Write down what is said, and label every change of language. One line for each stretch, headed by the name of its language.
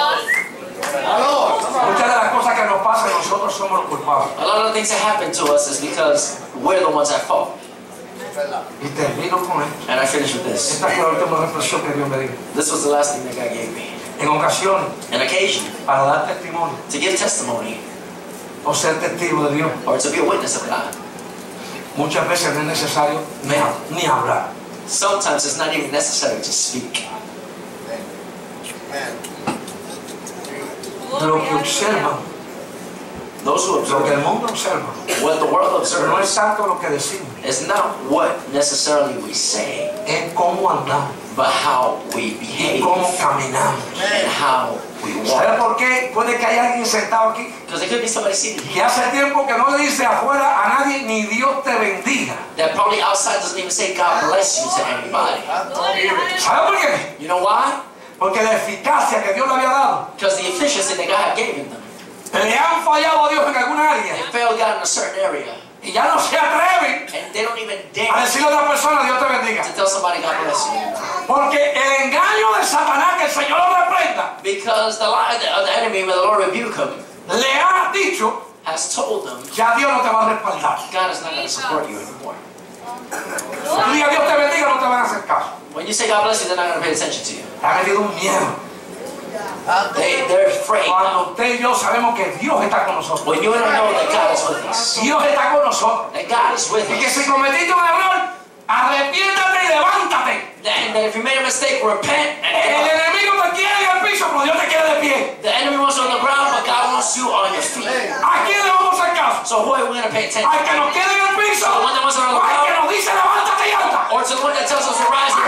Spanish: Muchas de las cosas que nos pasan nosotros somos los culpables.
English: A lot of the things that happen to us is because we're the ones at fault.
Spanish: Y termino con esto.
English: And I finish with this.
Spanish: Esta fue la última reflexión que Dios me dio.
English: This was the last thing that God gave me.
Spanish: En ocasión.
English: An occasion.
Spanish: Para dar testimonio.
English: To give testimony.
Spanish: O ser testigo de Dios.
English: Or to be a witness of God.
Spanish: Muchas veces no es necesario ni hablar.
English: Sometimes it's not even necessary to speak.
Spanish: Amen. Lo que observan,
English: those who observe,
Spanish: lo que el mundo observa,
English: what the world observes,
Spanish: no es tanto lo que decimos,
English: it's not what necessarily we say,
Spanish: es cómo andamos,
English: but how we behave,
Spanish: y cómo caminamos,
English: and how we walk.
Spanish: ¿Sabes por qué? Puede que haya alguien sentado aquí,
English: because there could be somebody sitting here,
Spanish: que hace tiempo que no le dice afuera a nadie ni Dios te bendiga,
English: that probably outside doesn't even say God bless you to anybody.
Spanish: ¿Sabes por qué?
English: You know why?
Spanish: Porque la eficacia que Dios le había dado.
English: Because the efficiency that God had given them.
Spanish: Le han fallado a Dios en alguna área.
English: They failed God in a certain area.
Spanish: Y ya no se atreven.
English: And they don't even dare.
Spanish: A decirle a otra persona, Dios te bendiga.
English: To tell somebody God bless you.
Spanish: Porque el engaño de Satanás que el Señor lo reprenda.
English: Because the lie of the enemy with the Lord rebuke him.
Spanish: Le ha dicho.
English: Has told them.
Spanish: Ya Dios no te va a respaldar.
English: God is not going to support you anymore.
Spanish: Diga Dios te bendiga, no te van a hacer caso.
English: When you say God bless you, they're not going to pay attention to you.
Spanish: Han tenido miedo.
English: They're afraid.
Spanish: Cuando usted y yo sabemos que Dios está con nosotros.
English: When you and I know that God is with us.
Spanish: Dios está con nosotros.
English: That God is with us.
Spanish: Y que si cometiste un error, arrepiéntate y levántate.
English: And that if you made a mistake, repent and
Spanish: el enemigo te quiere en el piso, pero Dios te quiere de pie.
English: The enemy wants you on the ground, but God wants you on your feet.
Spanish: ¿A quién le vamos a hacer caso?
English: So who are we going to pay attention to?
Spanish: Al que nos quede en el piso.
English: So the one that wants on the ground.
Spanish: Al que nos dice levántate y anda.
English: Or to the one that tells us to rise and